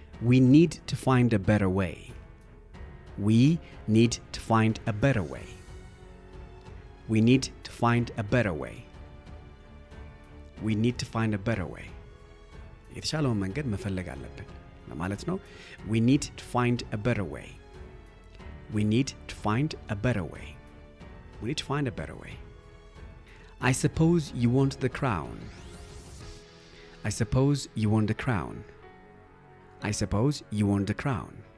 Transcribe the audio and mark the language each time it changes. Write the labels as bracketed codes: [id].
[en] We need to find a better way. We need to find a better way. We need to find a better way. We need to find a better way. [am] የተሻለውን መንገድ መፈለግ አለብን ለማለት ነው. [en] We need to find a better way. We need to find a better way. We need to find a better way. I suppose you want the crown. I suppose you want the crown. I suppose you want the crown.